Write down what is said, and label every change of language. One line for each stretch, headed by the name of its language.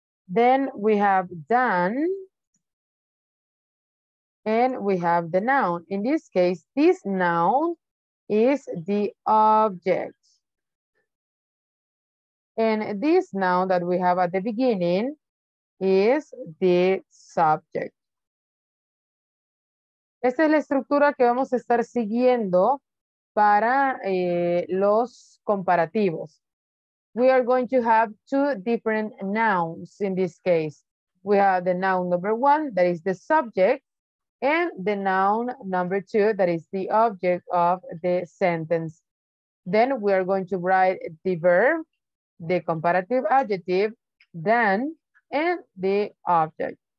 English: Then we have done, and we have the noun. In this case, this noun is the object. And this noun that we have at the beginning is the subject.
Spanish: Esta es la estructura que vamos a estar siguiendo para los comparativos.
English: We are going to have two different nouns in this case. We have the noun number one, that is the subject, and the noun number two, that is the object of the sentence. Then we are going to write the verb, the comparative adjective, then, and the object.